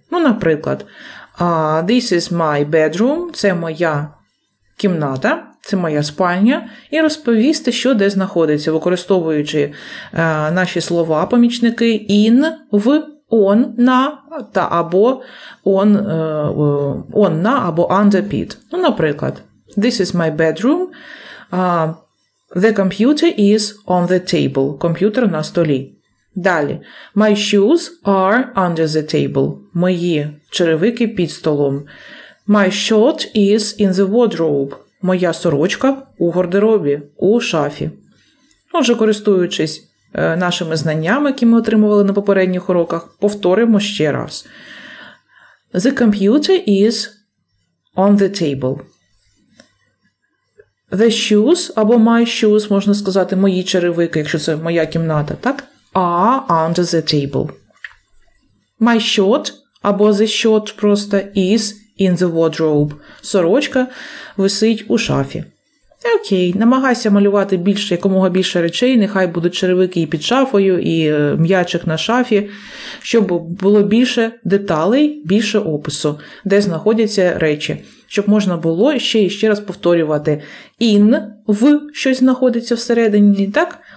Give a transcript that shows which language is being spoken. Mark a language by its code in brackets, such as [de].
[uk] Ну, наприклад, [en] this is my bedroom, [uk] це моя кімната, це моя спальня, і розповісти, що де знаходиться, використовуючи наші слова-помічники in, в, on, на, та або on, на, або under, під. Ну, наприклад, [en] this is my bedroom, the computer is on the table, [uk] комп'ютер на столі. Далі, [en] my shoes are under the table, [uk] мої черевики під столом. [en] My shirt is in the wardrobe. [uk] Моя сорочка у гардеробі, у шафі. Отже, користуючись нашими знаннями, які ми отримували на попередніх уроках, повторимо ще раз. [en] The computer is on the table. The shoes, [uk] або [en] my shoes, [uk] можна сказати, мої черевики, якщо це моя кімната, так? [en] Are under the table. My shirt, [uk] або [en] the shirt [uk] просто, [en] is in the wardrobe. [uk] Сорочка висить у шафі. Окей, намагайся малювати більше, якомога більше речей, нехай будуть черевики і під шафою, і м'ячик на шафі, щоб було більше деталей, більше опису, де знаходяться речі. Щоб можна було ще і ще раз повторювати «in» – «в» щось знаходиться всередині, так?